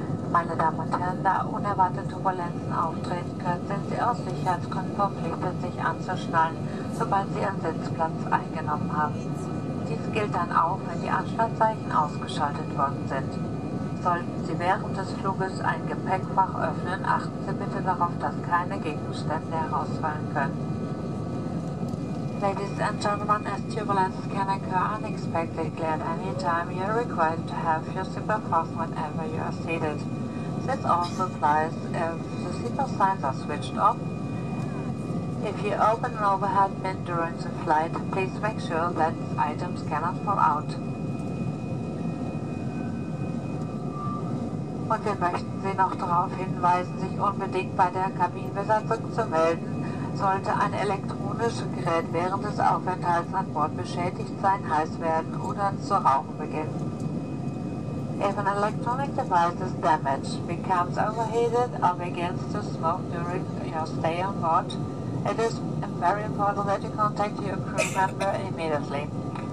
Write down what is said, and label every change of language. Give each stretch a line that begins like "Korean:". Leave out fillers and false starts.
German: Meine Damen und Herren, da unerwartet Turbulenzen auftreten könnten, sind Sie aus Sicherheitsgründen verpflichtet, sich anzuschnallen, sobald Sie Ihren Sitzplatz eingenommen haben. Dies gilt dann auch, wenn die Anschnallzeichen ausgeschaltet worden sind. Sollten Sie während des Fluges ein Gepäckfach öffnen, achten Sie bitte darauf, dass keine Gegenstände herausfallen können.
English: Ladies and gentlemen, as turbulence can occur unexpectedly at any time, you are required to have your seatbelt fastened whenever you are seated. This also applies if the seatbelt signs are switched off. If you open an overhead bin during the flight, please make sure that items cannot fall out.
German: Und wir möchten Sie noch darauf hinweisen, sich unbedingt bei der Kabinenbesatzung zu melden. Sollte ein elektronisches Gerät während des Aufenthalts an Bord beschädigt sein, heiß werden oder zu rauchen beginnen.
English: If an electronic device is damaged, becomes overheated or begins to smoke during your stay on board, it is very important that you contact your crew member immediately.